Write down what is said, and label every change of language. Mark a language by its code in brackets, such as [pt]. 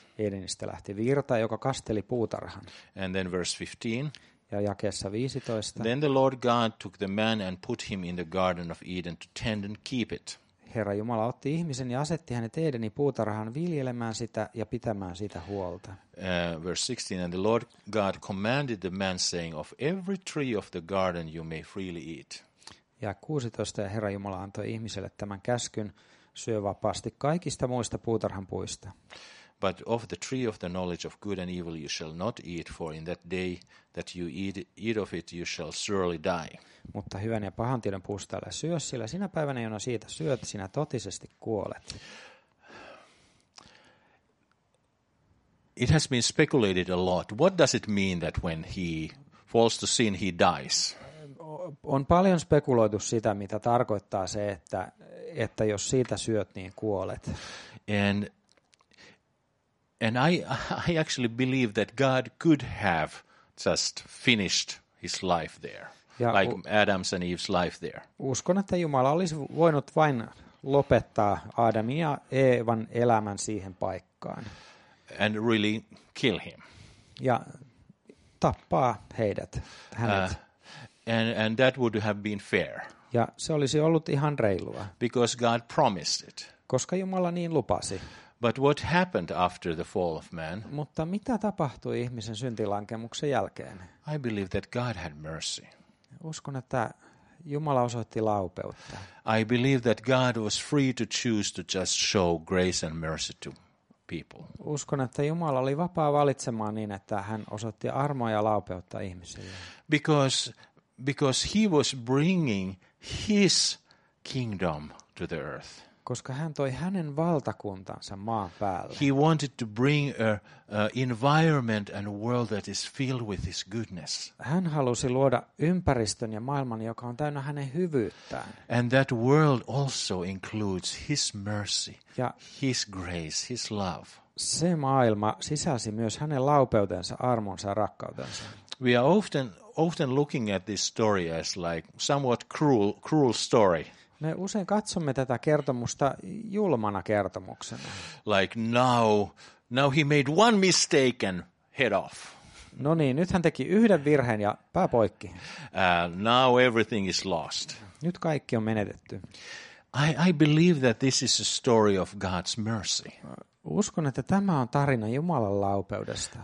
[fi] Edenistä lähti virta, joka kasteli puutarhan. [en] And then verse 15. [fi] Ja jakeessa 15. [en] Then the Lord God took the man and put him in the garden of Eden to tend and keep it. [fi] Herra Jumala otti ihmisen ja asetti hänet Edenin puutarhaan viljelemään sitä ja pitämään sitä huolta. [en] Verse 16, and the Lord God commanded the man saying, of every tree of the garden you may freely eat. [fi] Ja 16, ja Herra Jumala antoi ihmiselle tämän käskyn, syö vapaasti kaikista muista puutarhan puista. [en] But of the tree of the knowledge of good and evil you shall not eat, for in that day that you eat of it you shall surely die. [fi] Mutta hyvän ja pahan tiedon puusta älä syö, sillä sinä päivänä, jona siitä syöt, sinä totisesti kuolet. [en] It has been speculated a lot. What does it mean that when he falls to sin, he dies? [fi] On paljon spekuloitu sitä, mitä tarkoittaa se, että jos siitä syöt, niin kuolet. [en] And I actually believe that God could have just finished his life there. Ja like Adam's and Eve's life there. [fi] Uskon, että Jumala olisi voinut vain lopettaa Adamin ja Eevan elämän siihen paikkaan. [en] And really kill him. [fi] Ja tappaa heidät, hänet. [en] And that would have been fair. [fi] Ja se olisi ollut ihan reilua. [en] Because God promised it. [fi] Koska Jumala niin lupasi. [en] But what happened after the fall of man? [fi] Mutta mitä tapahtui ihmisen syntilankemuksen jälkeen? [en] I believe that God had mercy. [fi] Uskon, että Jumala osoitti laupeutta. [en] I believe that God was free to choose to just show grace and mercy to people. [fi] Uskon, että Jumala oli vapaa valitsemaan niin, että hän osoitti armoa ja laupeutta ihmisille. [en] Because he was bringing his kingdom to the earth. [fi] Koska hän toi hänen valtakuntansa maan päälle. [en] He wanted to bring a environment and a world that is filled with his goodness. [fi] Hän halusi luoda ympäristön ja maailman, joka on täynnä hänen hyvyyttään. [en] And that world also includes his mercy, ja his grace, his love. [fi] Se maailma sisälsi myös hänen laupeutensa, armonsa ja rakkautensa. [en] We are often looking at this story as like somewhat cruel story. [fi] Me usein katsomme tätä kertomusta julmana kertomuksena. [en] Like now he made one mistake and head off. [fi] No niin, nyt hän teki yhden virheen ja pää poikki. [en] Now everything is lost. [fi] Nyt kaikki on menetetty. [en] I believe that this is a story of God's mercy. [fi] Uskon, että tämä on tarina Jumalan laupeudesta.